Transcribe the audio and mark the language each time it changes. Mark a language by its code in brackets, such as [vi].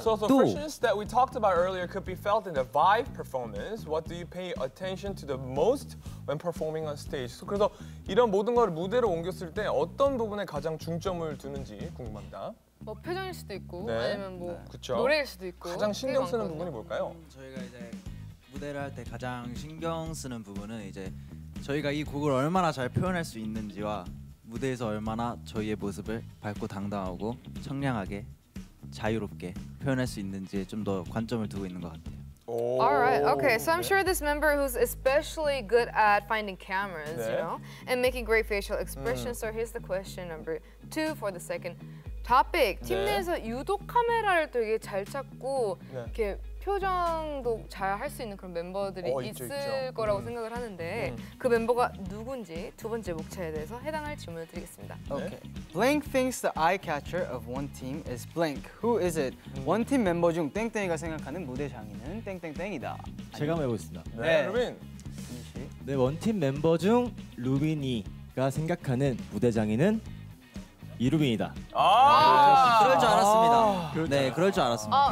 [en] So the freshness that we talked about earlier could be felt in the vibe performance. What do you pay attention to the most when performing on stage? [ko] So 그래서 이런 모든 걸 무대로 옮겼을 때 어떤 부분에 가장 중점을 두는지 궁금합니다. 뭐 표정일 수도 있고 네. 아니면 뭐 네. 그쵸? 노래일 수도 있고 가장 신경 쓰는 부분이 뭘까요? 저희가 이제 무대를 할 때 가장 신경 쓰는 부분은 이제 저희가 이 곡을 얼마나 잘 표현할 수 있는지와 무대에서 얼마나 저희의 모습을 밝고 당당하고 청량하게 자유롭게 표현할 수 있는지에 좀 더 관점을 두고 있는 것 같아요. [en] Oh. All right. Okay. So I'm sure this member who's especially good at finding cameras, 네. you know, and making great facial expressions. So here's the question number two for the second topic. [ko] 네. 팀 내에서 유독 카메라를 되게 잘 찾고 네. 이렇게 표정도 잘 할 수 있는 그런 멤버들이 있을 거라고 생각을 하는데 그 멤버가 누군지 두 번째 목차에 대해서 해당할 질문을 드리겠습니다. [en] Okay. Blank thinks the eye catcher of one team is blank. Who is it? [ko] 원 팀 멤버 중 땡땡이가 생각하는 무대 장인은 땡땡땡이다. 제가 한번 해보겠습니다. 네, 네. 루빈. 네, 원 팀 멤버 중 루빈이가 생각하는 무대 장인은 이루빈이다. 아, 그럴 줄 알았습니다. 네, 그럴 줄 알았습니다.